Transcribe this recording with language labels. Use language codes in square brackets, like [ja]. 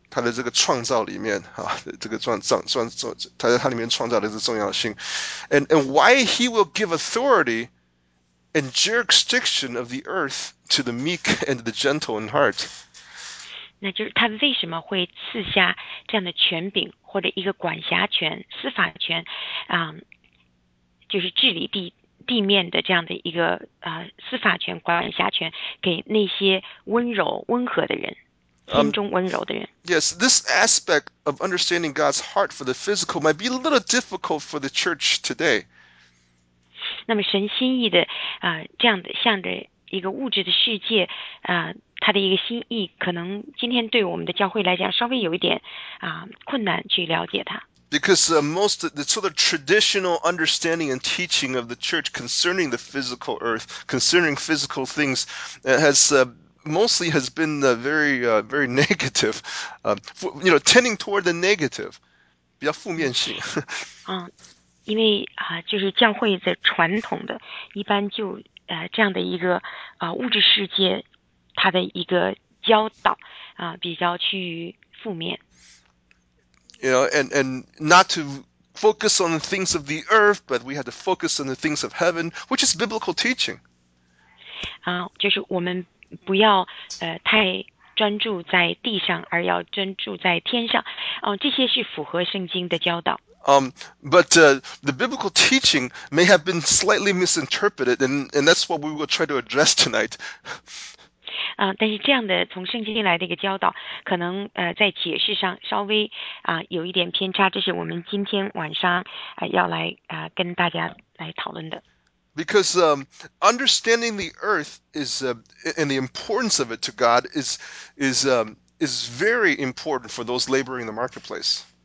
[zh] 他的这个创造里面这个他在他里面创造的这个重要性。 [en] And why he will give authority and jurisdiction of the earth to the meek and the gentle in heart. [zh] 那就是他为什么会赐下这样的权柄或者一个管辖权司法权就是治理地面的这样的一个司法权管辖权给那些温柔温和的人。 [en] Yes, this aspect of understanding God's heart for the physical might be a little difficult for the church today. [zh] 那么神心意的这样的像的一个物质的世界他的一个心意可能今天对我们的教会来讲稍微有一点困难去了解它。 [en] Because most of the sort of traditional understanding and teaching of the church concerning the physical earth, concerning physical things, has mostly been very negative, tending toward the negative, [zh] 比较负面性。因为就是教会的传统的，一般就这样的一个物质世界，它的一个教导比较趋于负面。 [en] And not to focus on the things of the earth, but we have to focus on the things of heaven, which is biblical teaching. [zh] 就是我们。不要太专注在地上，而要专注在天上。这些是符合圣经的教导。 [en] But the biblical teaching may have been slightly misinterpreted, and that's what we will try to address tonight. [zh] 但是这样的从圣经来的一个教导，可能在解释上稍微有一点偏差，这是我们今天晚上要来跟大家来讨论的。 [en] Because understanding the earth is and the importance of it to God is very important for those laboring in the marketplace.